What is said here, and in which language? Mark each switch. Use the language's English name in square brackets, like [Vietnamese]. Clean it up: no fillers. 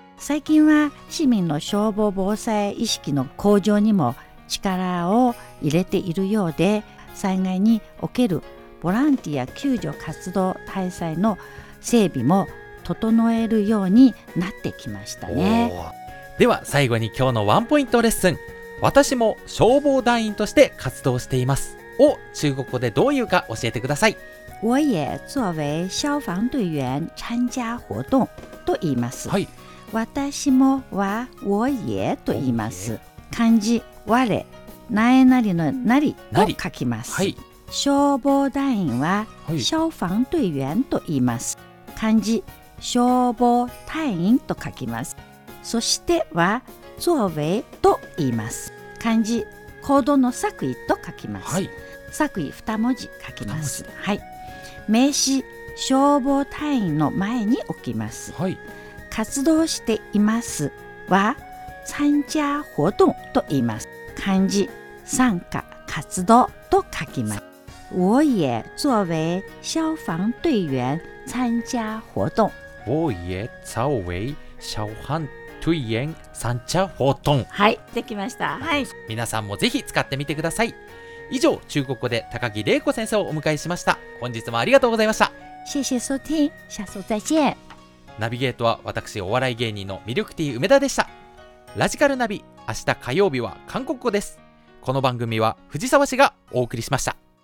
[Japanese] 最近は市民の消防防災意識の向上にも力を入れているようで、災害におけるボランティア救助活動体制の整備も整えるようになってきましたね。では最後に今日のワンポイントレッスン、私も消防団員として活動していますを中国語でどういうか教えてください。 [Chinese] 我也作为消防队员参加活动 [Japanese] と言います、はい、私もは我也と言います。漢字我れ、何々の何を書きます、はい、消防団員は消防队员と言います、はい、漢字消防隊員と書きます。そしては作為と言います。漢字行動の作為と書きます、はい、作為二文字書きます。文字、はい、名詞消防隊員の前に置きます、はい、活動していますは参加活動と言います。漢字参加活動と書きます。 [Chinese] 我也作為消防隊員参加活動。我也作為消防隊員参加活動。 [Japanese] はい、できました、はい、皆さんもぜひ使ってみてください。以上、中国語で高木玲子先生をお迎えしました。本日もありがとうございました。 [Chinese] 谢谢收听、下次再见。 [Japanese] ナビゲートは私お笑い芸人のミルクティー梅田でした。ラジカルナビ、明日火曜日は韓国語です。この番組は藤沢氏がお送りしました。